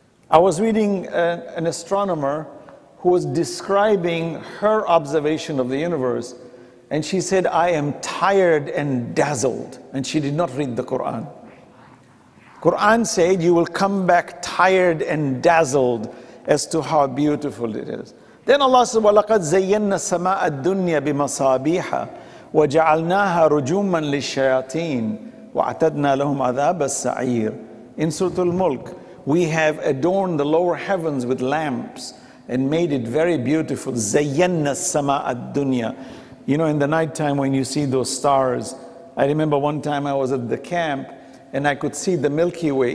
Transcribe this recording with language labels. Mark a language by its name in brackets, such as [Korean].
[English] I was reading an astronomer who was describing her observation of the universe, and she said, I am tired and dazzled. And she did not read the Quran. Quran said, you will come back tired and dazzled as to how beautiful it is. Then Allah says, [Arabic] وَلَقَدْ زَيَّنَّ سَمَاءَ الدُّنْيَا بِمَصَابِيحَ وَجَعَلْنَاهَا رُجُومًا لِلشَّيَاطِينَ وَعْتَدْنَا لَهُمْ عَذَابَ السَّعِيرِ. [English] In Suratul Mulk, we have adorned the lower heavens with lamps and made it very beautiful. [Arabic] زَيَّنَّ السَّمَاءَ الدُّنْيَا. [English] You know, in the nighttime when you see those stars, I remember one time I was at the camp and I could see the Milky Way.